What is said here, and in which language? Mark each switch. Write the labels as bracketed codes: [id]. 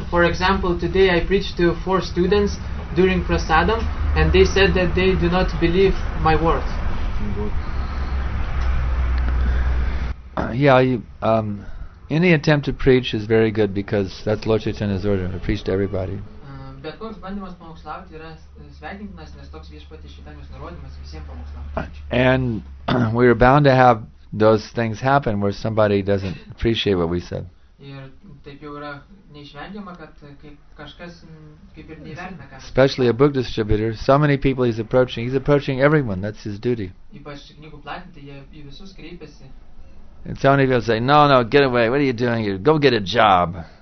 [en] For example, today I preached to four students during prasadam and they said that they do not believe my words. Yeah, any attempt to preach is very good because that's Lord Chaitanya's order, to preach to everybody. [lt] Bet koks bandymas pamokslauti yra sveikintinas, nes toks viešpatės Šaitanijos nurodymas visiems pamokslauti. [en] And we are bound to have those things happen where somebody doesn't appreciate what we said. [lt] Ir taip jau yra neišvengiama, kad kaip kažkas kaip ir neįvertina ką. [en] Especially a book distributor, so many people he's approaching everyone, that's his duty. [lt] Ypač knygų platintojai, jie į visus kreipiasi. [en] And so many people say, no, no, get away, what are you doing here, go get a job.